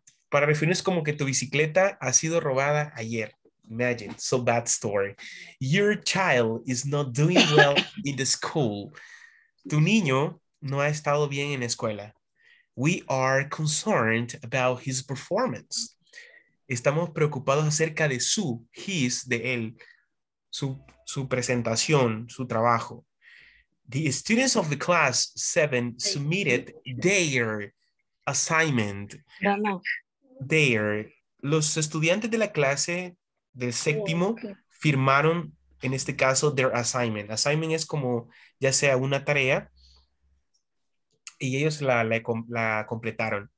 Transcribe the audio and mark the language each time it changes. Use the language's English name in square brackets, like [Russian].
[Spanish] Para referirnos como que tu bicicleta ha sido robada ayer. [English] Imagine, so bad story. Your child is not doing well in the school. [Spanish] Tu niño no ha estado bien en escuela. [English] We are concerned about his performance. [Spanish] Estamos preocupados acerca de su, his, de él, su presentación, su trabajo. [English] The students of the class 7 submitted their assignment. [Spanish] No. Their. Los estudiantes de la clase del séptimo firmaron, en este caso, [English] their assignment. [Spanish] Assignment es como ya sea una tarea. Y ellos la completaron.